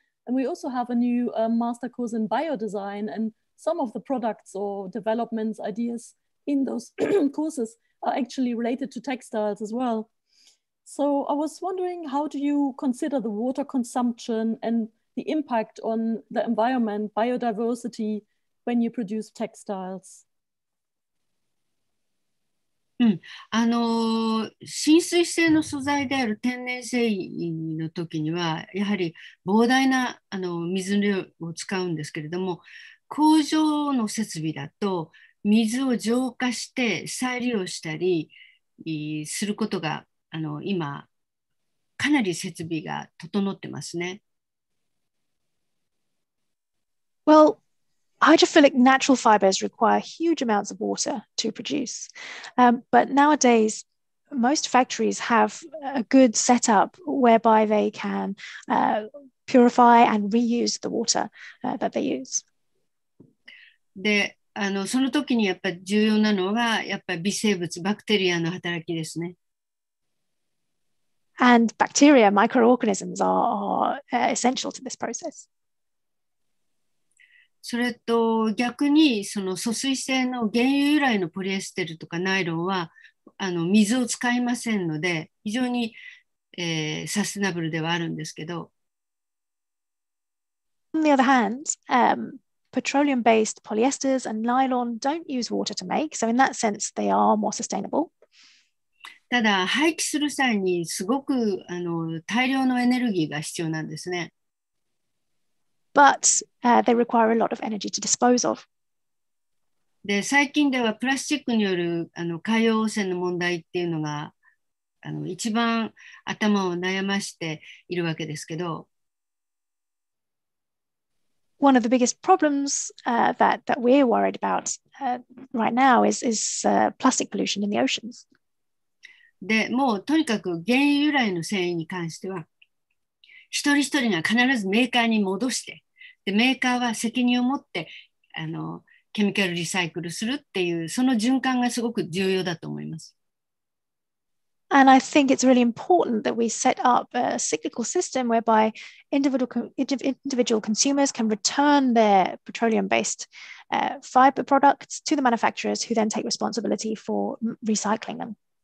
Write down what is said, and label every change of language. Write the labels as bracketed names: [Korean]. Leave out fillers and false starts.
[English] And we also have a new master course in biodesign, and some of the products or developments, ideas in those courses are actually related to textiles as well. So I was wondering, how do you consider the water consumption and the impact on the environment, biodiversity, when you produce textiles? [Japanese] うん、あの浸水性の素材である天然繊維の時にはやはり膨大なあの水量を使うんですけれども、工場の設備だと水を浄化して再利用したりすることが今かなり設備が整ってますね。 [English] Well, hydrophilic natural fibers require huge amounts of water to produce. But nowadays, most factories have a good setup whereby they can purify and reuse the water that they use. [Japanese] で、その時にやっぱ重要なのがやっぱ微生物、バクテリアの働きですね。 [English] And bacteria, microorganisms are essential to this process. [Japanese] それと逆にその疎水性の原油由来のポリエステルとかナイロンは水を使いませんので非常に、サステナブルではあるんですけど。 [English] On the other hand, petroleum-based polyesters and nylon don't use water to make, so in that sense they are more sustainable. [Japanese] ただ廃棄する際にすごく大量のエネルギーが必要なんですね。 [English] But they require a lot of energy to dispose of. [Japanese] で、最近ではプラスチックによる海洋汚染の問題っていうのが一番頭を悩ましているわけですけど。 [English] One of the biggest problems that we're worried about right now is plastic pollution in the oceans. [Japanese] で、もうとにかく原油由来の繊維に関しては一人一人が必ずメーカーに戻して、で、メーカーは責任を持って、ケミカルリサイクルするっていう、その循環がすごく重要だと思います。 [English] And I think it's really important that we set up a cyclical system whereby individual consumers can return their petroleum-based fiber products to the manufacturers who then take responsibility for recycling them.